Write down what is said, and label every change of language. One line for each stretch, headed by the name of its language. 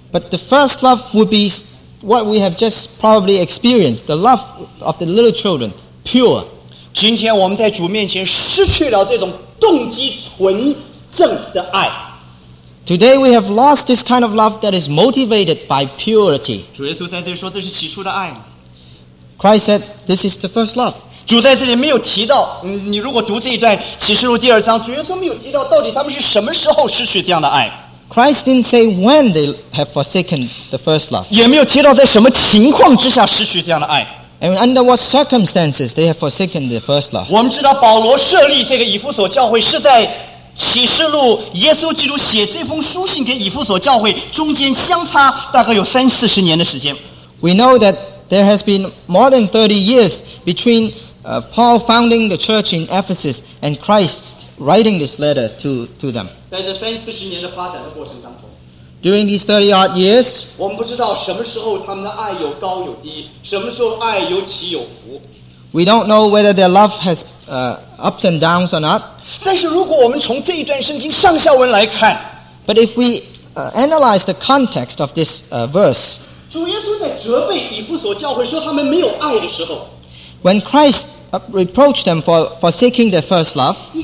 English: the first love would be what we have just probably experienced, the love of the little children, pure.
Chinese: 今天我们在主面前失去了这种动机纯正的爱。
English: Today we have lost this kind of love that is motivated by purity.
Chinese: 主耶稣在这里说这是起初的爱。
English: Christ said, this is the first love.
Chinese: 主在这里没有提到, 你如果读这一段启示录第二章,主耶稣没有提到到底他们是什么时候失去这样的爱。
English: Christ didn't say when they have forsaken the first love.
Chinese: 也没有提到在什么情况之下失去这样的爱。
English: And under what circumstances they have forsaken the first love.
Chinese: 我们知道保罗设立这个以弗所教会是在 启示录耶稣基督写这封书信给以弗所教会中间相差大概有三四十年的时间。
English: We know that there has been more than 30 years between Paul founding the church in Ephesus and Christ writing this letter to them.
Chinese: 在这三四十年的发展的过程当中,
English: during these 30 odd years,
Chinese: 我们不知道什么时候他们的爱有高有低，什么时候爱有起有伏。
English: We don't know whether their love has ups and downs or not.
Chinese: 但是如果我们从这一段圣经上下文来看,
English: but if we analyze the context of this verse,
Chinese: 主耶稣在责备以弗所教会说他们没有爱的时候,
English: when Christ reproached them for forsaking their first love,